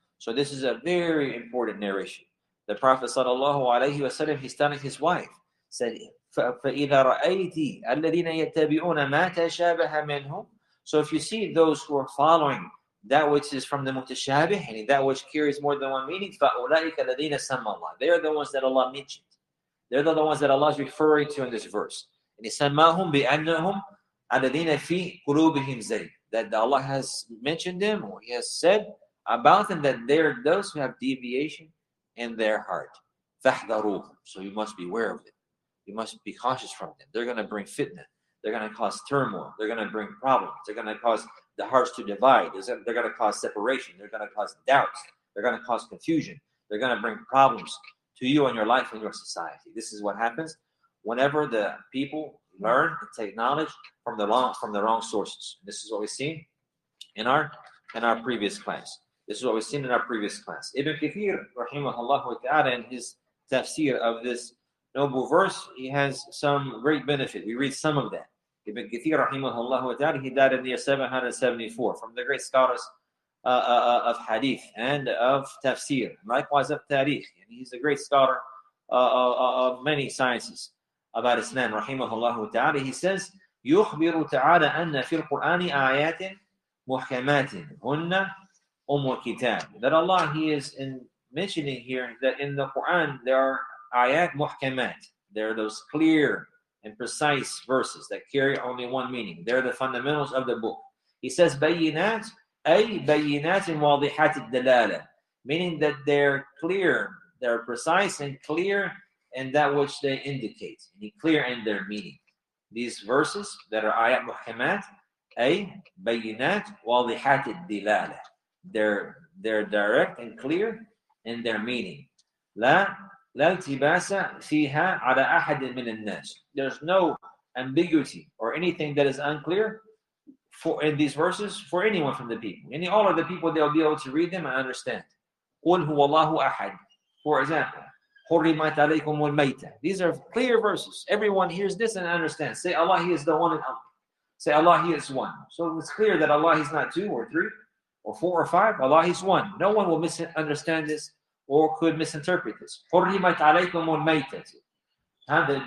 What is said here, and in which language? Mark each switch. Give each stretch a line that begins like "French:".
English: So this is a very important narration. The Prophet sallallahu alayhi wa sallam, he's telling his wife, said,
Arabic: فَإِذَا رَأَيْتِ أَلَّذِينَ يَتَّبِعُونَ مَا تَشَابَهَ مِنْهُمْ.
English: So if you see those who are following that which is from the mutashabih, and that which carries more than one meaning,
Arabic: فَأُولَٰئِكَ الَّذِينَ سَمَّ اللَّهِ.
English: They are the ones that Allah mentioned. They're the ones that Allah is referring to in this verse. And he said,
Arabic: مَاهُمْ بِأَنَّهُمْ أَلَذِينَ فِي قُلُوبِهِمْ زَيْدٍ.
English: That Allah has mentioned them, or He has said about them, that they are those who have deviation in their heart.
Arabic: فَحْذَرُوهُمْ.
English: So you must beware of them. You must be cautious from them. They're going to bring fitna. They're going to cause turmoil. They're going to bring problems. They're going to cause the hearts to divide. They're going to cause separation. They're going to cause doubts. They're going to cause confusion. They're going to bring problems to you and your life and your society. This is what happens whenever the people learn and take knowledge from the wrong sources. This is what we've seen in our previous class. This is what we've seen in our previous class. Ibn Kathir, rahimahullah ta'ala, in his tafsir of this noble verse, he has some great benefit. We read some of that. Ibn Kathir, rahimahullah ta'ala, he died in the year 774, from the great scholars of hadith and of tafsir, likewise of tarikh. And he's a great scholar of many sciences about Islam, rahimahullah ta'ala. He says,
Arabic: يُخْبِرُ تَعَالَى أَنَّ فِي الْقُرْآنِ آيَاتٍ مُحْكَمَاتٍ هُنَّ أُمُّ الْكِتَابِ.
English: That Allah, He is mentioning here that in the Quran there are ayat muhkamat, They're those clear and precise verses that carry only one meaning. They're the fundamentals of the book. He says,
Arabic: "Bayinat, ay bayinat in wadihat al-dalala,"
English: meaning that they're clear, they're precise and clear in that which they indicate, and clear in their meaning. These verses that are ayat muhkamat,
Arabic: ay bayinat wadihat al-dalala,
English: they're direct and clear in their meaning.
Arabic: لا التباس فيها على أحد من الناس.
English: There's no ambiguity or anything that is unclear for in these verses for anyone from the people. Any all of the people, they'll be able to read them and understand.
Arabic: قل هو الله أحد.
English: For example,
Arabic: حرمت عليكم الميتة.
English: These are clear verses. Everyone hears this and understands. Say Allah, He is the one and only. Say Allah, He is one. So it's clear that Allah, He's not two or three or four or five. Allah, He's one. No one will misunderstand this or could misinterpret this.
Arabic: حُرِّمَتْ عَلَيْكُمْ وَالْمَيْتَةِ.